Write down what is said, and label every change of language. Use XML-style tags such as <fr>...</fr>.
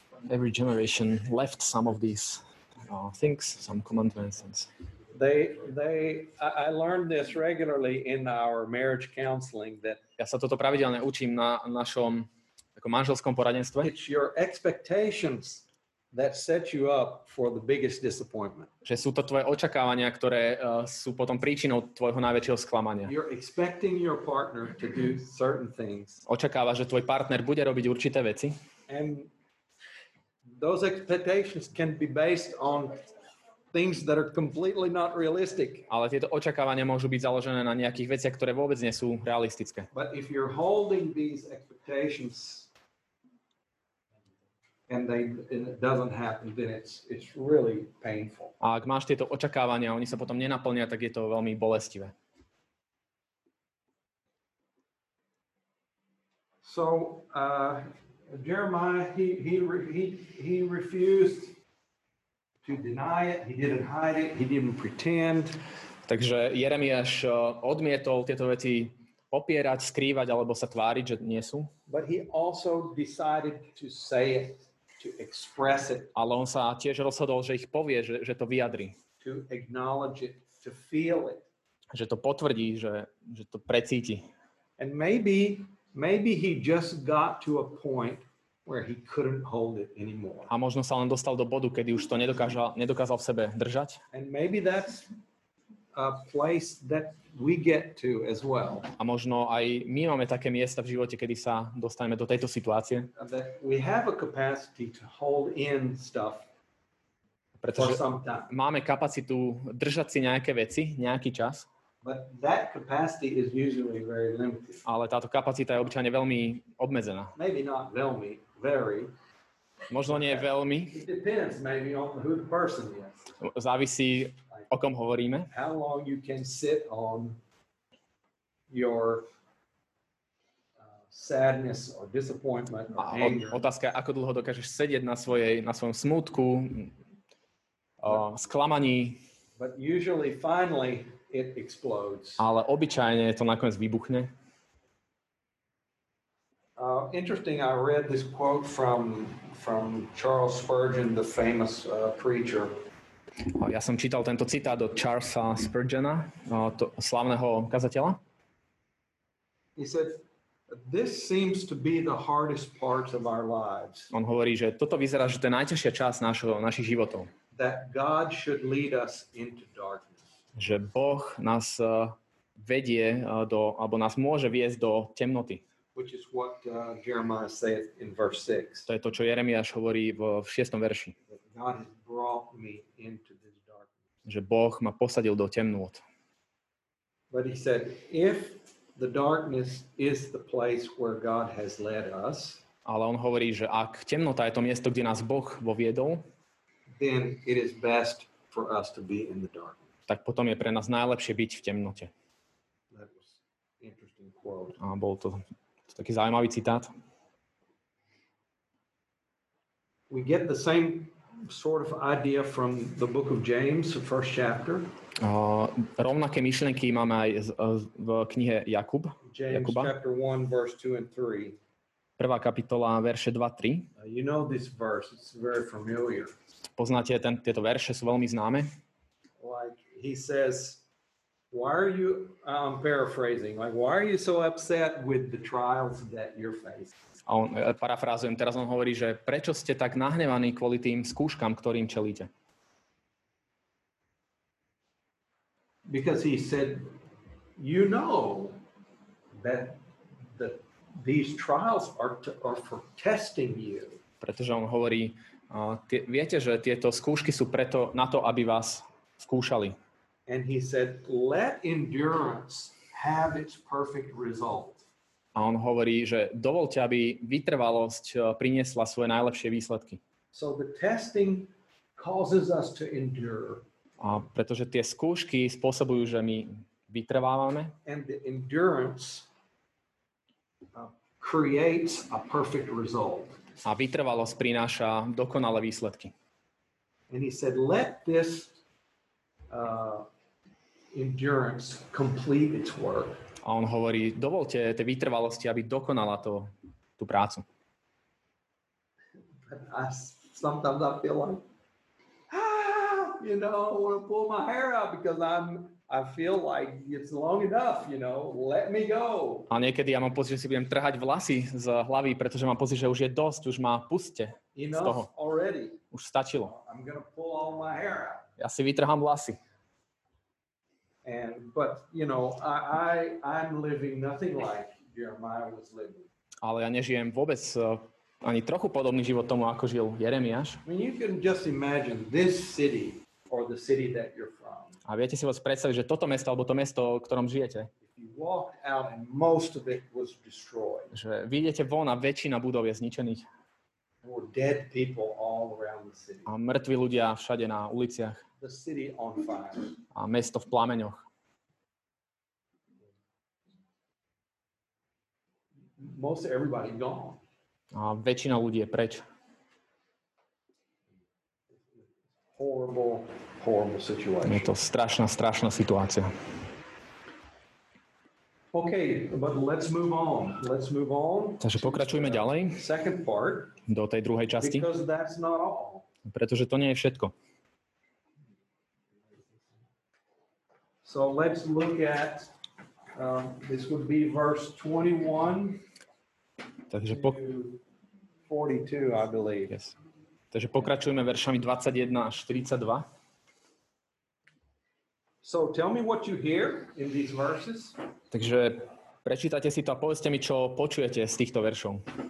<en>Every generation left some of these things, some commandments. I learned this regularly in our marriage counseling that</en> <sk>ja sa toto pravidelne učím na našom takom manželskom poradenstve.</sk> <en>It's your expectations that set you up for the biggest disappointment.</en> <sk>Že sú to tvoje očakávania, ktoré sú potom príčinou tvojho najväčšieho sklamania.</sk> <en>You're expecting your partner to do certain things.</en> <sk>Očakávaš, že tvoj partner bude robiť určité veci.</sk> <en>And those expectations can be based on things that are completely not realistic.</en> <sk>Ale tieto očakávania môžu byť založené na nejakých veciach, ktoré vôbec nie sú realistické.</sk> <en>But if you're holding these expectations and they doesn't happen, then it's really painful.</en> <sk>A ak máš tieto očakávania, oni sa potom nenaplnia, tak je to veľmi bolestivé.</sk> <en>So, Jeremiah he refused to deny it, he didn't hide it, he didn't pretend.</en> <sk>Takže Jeremiáš odmietol tieto veci popierať, skrývať alebo sa tváriť, že nie sú.</sk> <en>But he also decided to say it, to express it.</en> <sk>Ale on sa tiež rozhodol, že ich povie, že to vyjadri.</sk> <en>To acknowledge it, to feel it.</en> <sk>Že to potvrdí, že to precíti.</sk> <en>And maybe he just got to a point where he couldn't hold it anymore.</en> <sk>A možno sa len dostal do bodu, kedy už to nedokázal v sebe držať.</sk> <en>And maybe that's a place that we get to as well.</en> <sk>A možno aj my máme také miesta v živote, kedy sa dostaneme do tejto situácie.</sk> <en>We have a capacity to hold in stuff.</en> <sk>Pretože máme kapacitu držať si nejaké veci, nejaký čas.</sk> <en>But that capacity is usually very limited.</en> <sk>Ale táto kapacita je obyčajne veľmi obmedzená.</sk> <en>Maybe not veľmi, very.</en> <sk>Možno nie veľmi.</sk> <en>It depends maybe on who the person is.</en> <sk>Závisí, o kom hovoríme.</sk> <en>How long you can sit on your sadness or disappointment or anger.</en> <sk>Otázka, ako dlho dokážeš sedieť na svojom smútku, sklamaní.</sk> <en>But usually finally it explodes.</en> <sk>Ale obyčajne to nakoniec vybuchne.</sk> <en>Interesting, I read this quote from Charles Spurgeon, the famous preacher.</en> <sk>Ja som čítal tento citát od Charlesa Spurgeona, slavného kazateľa.</sk> <en>He said, "This seems to be the hardest part of our lives."</en> <sk>On hovorí, že toto vyzerá, že to je najťažšia časť našich životov.</sk> <en>That God should lead us into darkness.</en> <sk>Že Boh nás vedie do, alebo nás môže viesť do temnoty.</sk> <en>Which is what Jeremiah says in verse 6.</en> <sk>To je to, čo Jeremiáš hovorí v 6. verši.</sk> <en>God has brought me into this darkness.</en> <sk>Že Boh ma posadil do temnot.</sk> <en>But he said, if the darkness is the place where God has led us,</en> <sk>ale on hovorí, že ak temnota je to miesto, kde nás Boh voviedol,</sk> <en>then it is best for us to be in the darkness.</en> <sk>Tak potom je pre nás najlepšie byť v temnote.</sk> <en>That was an interesting quote.</en> <sk>A bol to taký zaujímavý citát.</sk> <en>We get the same sort of idea from the book of James, the first chapter.</en> <sk>Rovnaké myšlienky máme aj v knihe Jakub.</sk> <en>James</en> <sk>Jakuba.</sk> <en>Chapter 1, verse 2 and 3.</en> <sk>Prvá kapitola, verše 2, 3.</sk> <en>You know this verse, it's very familiar.</en> <sk>Poznáte, tieto verše sú veľmi známe.</sk> <en>Like he says, why are you, I'm paraphrasing, like why are you so upset with the trials that you're facing?</en> <sk>A on, parafrázujem, teraz on hovorí, že prečo ste tak nahnevaní kvôli tým skúškam, ktorým čelíte?</sk> <en>Because he said, you know that these trials are for testing you.</en> <sk>Pretože on hovorí, viete, že tieto skúšky sú preto na to, aby vás skúšali.</sk> <en>And he said, let endurance have its perfect result.</en> <sk>A on hovorí, že dovolte, aby vytrvalosť priniesla svoje najlepšie výsledky.</sk> <en>So the testing causes us to endure.</en> <sk>A pretože tie skúšky spôsobujú, že my vytrvávame.</sk> <en>And the endurance creates a perfect result.</en> <sk>A vytrvalosť prináša dokonalé výsledky.</sk> <en>And he said, let this endurance complete its work.</en> <sk>A on hovorí, dovolte tej vytrvalosti, aby dokonala tú prácu.</sk> <en>But sometimes I feel like, you know, I want to pull my hair out because I feel like it's long enough, you know, let me go.</en> <sk>A niekedy ja mám pocit, že si budem trhať vlasy z hlavy, pretože mám pocit, že už je dosť, už ma puste</sk> <en>enough</en> <sk>z toho.</sk> <en>Already.</en> <sk>Už stačilo.</sk> <en>I'm gonna pull all my hair out.</en> <sk>Ja si vytrhám vlasy.</sk> <en>And but you know I'm living nothing like Jeremiah was living.</en> <sk>Ale ja nežijem vôbec ani trochu podobný život tomu, ako žil Jeremiáš.</sk> <en>I mean, you can just imagine this city or the city that you're from.</en> <sk>A viete si vás predstaviť, že toto mesto alebo to mesto, v ktorom žijete.</sk> <en>If you walked out and most of it was destroyed.</en> <sk>Že vidíte von a väčšina budov je zničených.</sk> <en>There were dead people all around the city.</en> <sk>A mŕtvi ľudia všade na uliciach.</sk> <en>The city on fire.</en> <sk>A mesto v plameňoch.</sk> <en>Most everybody gone.</en> <sk>A väčšina ľudí je preč.</sk> <en>Horrible, horrible situation.</en> <sk>Je to strašná, strašná situácia.</sk> <en>Okay, but let's move on. Let's move on.</en> <sk>Takže pokračujme ďalej.</sk> <en>Second part.</en> <sk>Do tej druhej časti.</sk> <en>Because that's not all.</en> <sk>Pretože to nie je všetko.</sk> <en>So let's look at this would be verse 21.</en> <sk>Takže</sk> <en>42, I believe. Yes.</en> <sk>Takže pokračujeme veršami 21 až 42.</sk> <en>So tell me what you hear in these verses.</en> <sk>Takže prečítajte si to a povedzte mi, čo počujete z týchto veršov.</sk>